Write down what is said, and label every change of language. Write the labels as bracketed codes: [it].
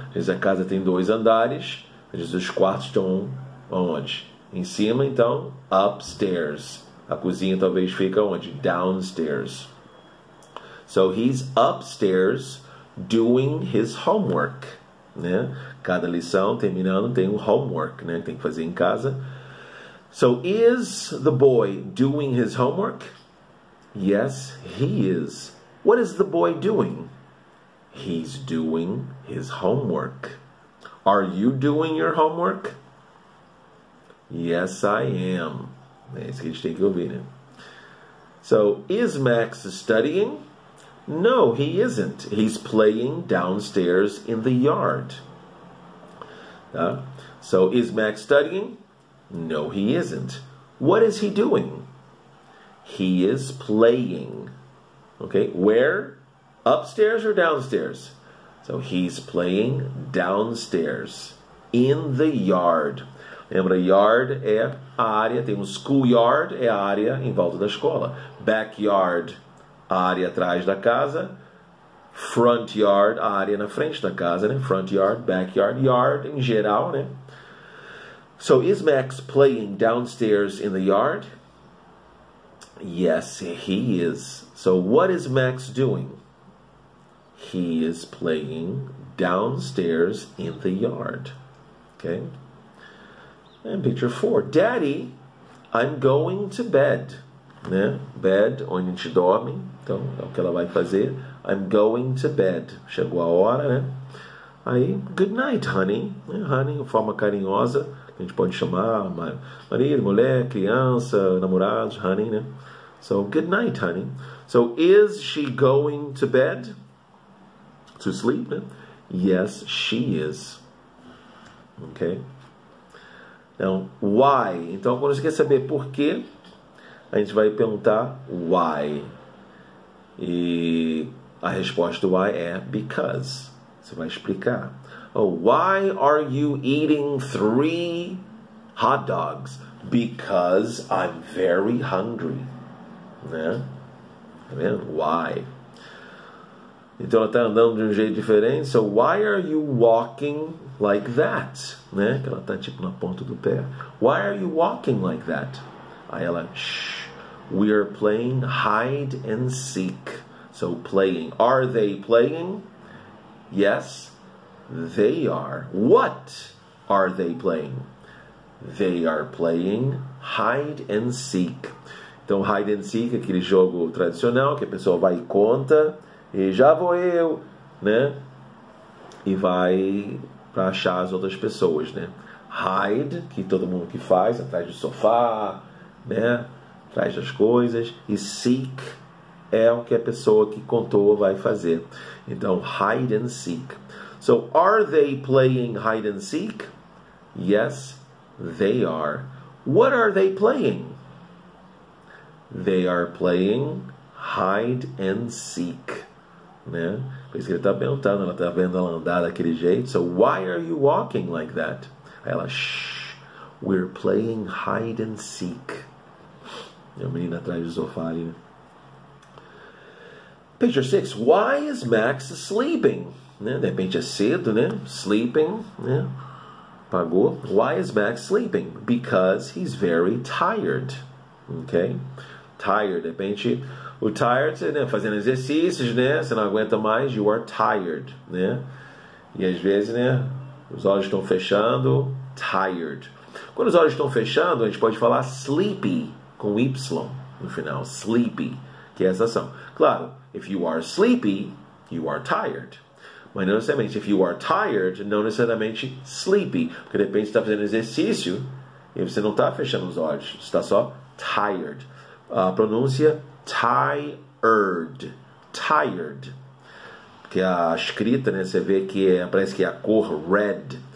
[pt] Às vezes a casa tem dois andares, às vezes os quartos estão aonde? Em cima, então, upstairs. A cozinha talvez fica onde? [en] Downstairs. So he's upstairs doing his homework. [pt] Né? Cada lição terminando tem um homework, né? Tem que fazer em casa. [en] So is the boy doing his homework? Yes, he is. What is the boy doing? He's doing his homework. Are you doing your homework? Yes, I am. [pt] É isso que a gente tem que ouvir, né? [en] So is Max studying? No, he isn't. He's playing downstairs in the yard. So, is Max studying? No, he isn't. What is he doing? He is playing. Okay, where? Upstairs or downstairs? So, he's playing downstairs in the yard. [pt] Lembra, yard é a área. Tem um schoolyard, é a área em volta da escola. Backyard. A área atrás da casa, front yard, a área na frente da casa, né? [en] Front yard, backyard, yard [pt] em geral, né? [en] So, is Max playing downstairs in the yard? Yes, he is. So, what is Max doing? He is playing downstairs in the yard. Okay? And picture four. Daddy, I'm going to bed. Né? [pt] Bed, onde a gente dorme. Então, é o que ela vai fazer. [en] I'm going to bed. [pt] Chegou a hora, né? [en] Aí, good night, honey. [pt] Honey, forma carinhosa. A gente pode chamar marido, mulher, criança, namorado, honey, né? [en] So, good night, honey. So, is she going to bed? To sleep, né? Yes, she is. Okay. Now, why? [pt] Então, quando você quer saber por quê, a gente vai perguntar why. E a resposta do why é because. Você vai explicar. [en] Oh, why are you eating three hot dogs? Because I'm very hungry. Yeah. I mean, why? [pt] Então ela está andando de jeito diferente. [en] So why are you walking like that? [pt] Né? Que ela está tipo na ponta do pé. [en] Why are you walking like that? [pt] Aí ela, [en] shh, we are playing hide and seek. So playing. Are they playing? Yes, they are. What are they playing? They are playing hide and seek. [pt] Então hide and seek é aquele jogo tradicional que a pessoa vai e conta. E já vou eu, né? E vai para achar as outras pessoas, né? Hide, que todo mundo que faz, atrás do sofá, né? Atrás das coisas. E seek é o que a pessoa que contou vai fazer. [en] Então, hide and seek. So, are they playing hide and seek? Yes, they are. What are they playing? They are playing hide and seek. [pt] Né? Por isso que ele está perguntando, ela está vendo ela andar daquele jeito. [en] So why are you walking like that? Aí ela, shh, we're playing hide and seek. [pt] E a menina atrás do sofá ali. [en] Picture 6, why is Max sleeping? [pt] Né? De repente é cedo, né? [en] Sleeping, né? [pt] Pagou. [en] Why is Max sleeping? Because he's very tired. Ok? [pt] Tired, de repente... O tired, né? Fazendo exercícios, né? Você não aguenta mais, [en] you are tired, [pt] né? E às vezes, né? Os olhos estão fechando, tired. Quando os olhos estão fechando, a gente pode falar sleepy, com Y no final, sleepy, que é essa ação. [en] Claro, if you are sleepy, you are tired. [pt] Mas não necessariamente, [en] if you are tired, [pt] não necessariamente sleepy. Porque de repente você está fazendo exercício e você não está fechando os olhos, você está só tired. A pronúncia... Tired, tired. Porque a escrita, né, você vê que é, parece que é a cor red.